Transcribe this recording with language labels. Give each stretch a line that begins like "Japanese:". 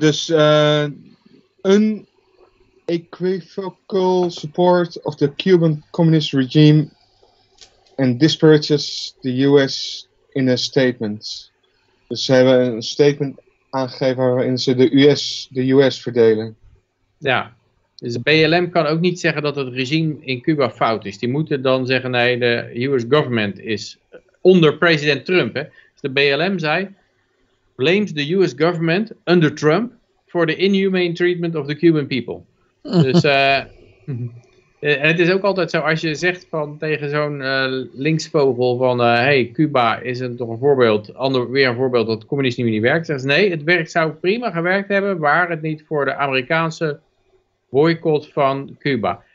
English: Een equivocal support of the Cuban communist regime and disparages the US in a statement.
Dutch: Dus ze hebben een statement aangegeven waarin ze de US verdelen. Ja, dus BLM kan ook niet zeggen dat het regime in Cuba fout is. Die moeten dan zeggen, nee, de US government is onder president Trump. Hè. Dus de BLM zei,
English: blamed the US government under Trump for the inhumane treatment of the Cuban people.
Dutch: Dus en het is ook altijd zo, als je zegt van tegen zo'n linksvogel van, hey, Cuba is weer een voorbeeld dat het communisme niet werkt. Zegt, nee, het werk zou prima gewerkt hebben, waar het niet voor de Amerikaanse boycott van Cuba.